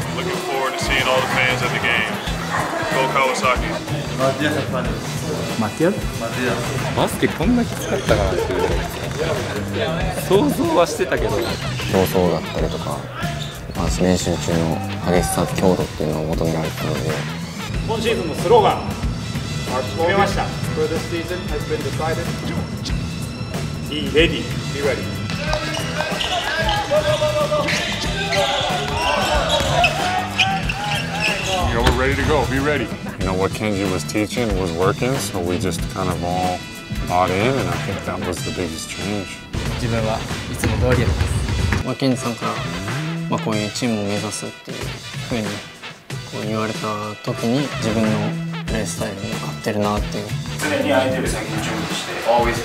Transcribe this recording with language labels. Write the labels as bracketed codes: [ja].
[en] Looking forward to seeing all the fans at the games. Go Kawasaki. Matias. Matias. Matias. [ja] バスケこんなきつかったかなって想像はしてたけど、競争だったりとか、まあ、練習中の激しさ強度っていうのを求められたので、今シーズンのスローガン決めました。 [en] For this season has been decided. Be ready. Be ready. You know, we're ready to go. Be ready. You know, what Kenji was teaching was working, so we just kind of all bought in, and I think that was the biggest change. [ja] 自分はいつも通りやります。まあ、ケンジさんから、まあ、こういうチームを目指すっていうふうにこう言われた時に、自分のプレースタイルに合ってるなっていう。常に相手を先に準備して。